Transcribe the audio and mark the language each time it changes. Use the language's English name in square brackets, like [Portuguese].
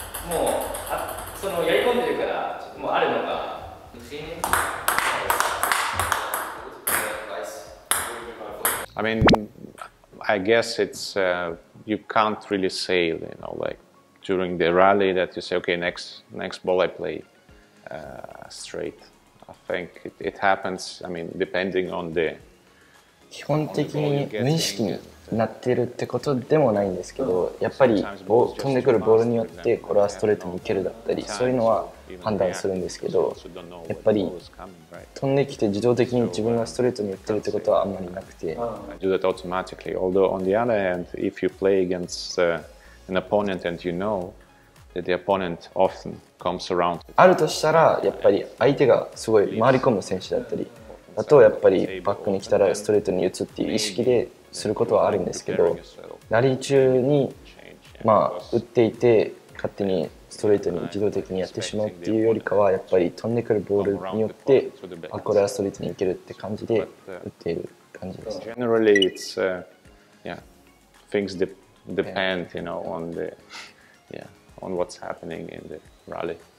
[Japanese] もうそのやり込んでるからもうあるのか。 [English] I mean, I guess it's you can't really say, you know, like during the rally that you say, okay, next ball I play. Straight. I think it happens. I mean, depending on the. [Japanese] 基本的に無意識になっているってことでもないんですけど、やっぱり飛んでくるボールによってこれはストレートに行けるだったり、そういうのは判断するんですけど、やっぱり飛んできて自動的に自分がストレートに行ってるってことはあんまりなくて。 [English] Do that automatically. Although on the other hand, if you play against an opponent and you know. The opponent often comes around. [Japanese] あるとしたらやっぱり相手がすごい回り込む選手だったり、あとやっぱりバックに来たらストレートに打つっていう意識ですることはあるんですけど、ラリー中にまあ打っていて勝手にストレートに自動的にやってしまうっていうよりかは、やっぱり飛んでくるボールによってあこれはストレートに行けるって感じで打っている感じです。 [English] Generally it's yeah, things depend, yeah. You know, on the, yeah, on what's happening in the rally.